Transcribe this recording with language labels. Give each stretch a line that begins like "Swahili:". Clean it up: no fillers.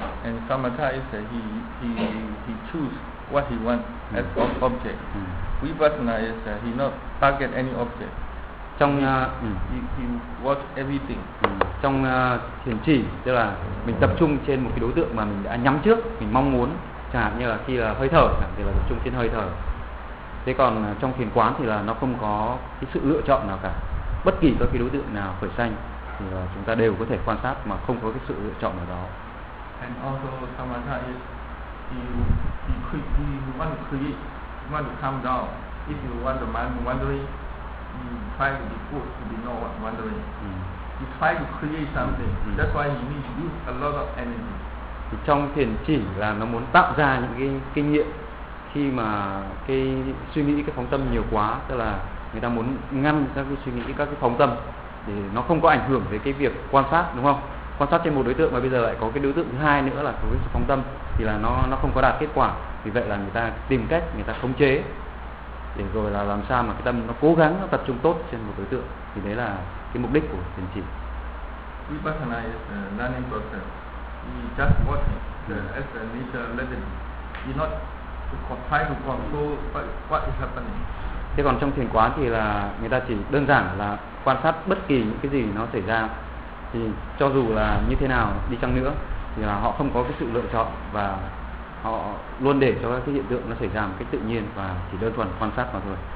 English: And samatha is that he choose what he wants as object. Vipassana is that he not target any object. He watch everything.
Vietnamese: Trong thiền chỉ tức là mình tập trung trên một cái đối tượng mà mình đã nhắm trước, mình mong muốn. Chẳng hạn như là khi là hơi thở thì là tập trung trên hơi thở. Thế còn trong thiền quán thì là nó không có cái sự lựa chọn nào cả. Bất kỳ các cái đối tượng nào khởi sanh thì là chúng ta đều có thể quan sát mà không có cái sự lựa chọn nào đó.
English: And also samatha is you want to create, you want to calm down. If you want the mind wandering, try to be good, to be not wandering. You try to create something. That's why you need to use a lot of energy.
Vietnamese: Thì trong thiền chỉ là nó muốn tạo ra những cái kinh nghiệm. Khi mà cái suy nghĩ, cái phóng tâm nhiều quá, tức là người ta muốn ngăn các cái suy nghĩ, các cái phóng tâm để nó không có ảnh hưởng về cái việc quan sát, đúng không? Quan sát trên một đối tượng mà bây giờ lại có cái đối tượng thứ hai nữa là có cái sự phóng tâm thì là nó không có đạt kết quả. Vì vậy là người ta tìm cách, người ta khống chế để rồi là làm sao mà cái tâm nó cố gắng, nó tập trung tốt trên một đối tượng. Thì đấy là cái mục đích của thiền chỉ.
English: Vipassana is a learning process. You just watch it as a nature lesson. You not to try to control what is happening.
Vietnamese: Thế còn trong thiền quán thì là người ta chỉ đơn giản là quan sát bất kỳ những cái gì nó xảy ra. Thì cho dù là như thế nào đi chăng nữa thì là họ không có cái sự lựa chọn và họ luôn để cho các cái hiện tượng nó xảy ra một cách tự nhiên và chỉ đơn thuần quan sát mà thôi.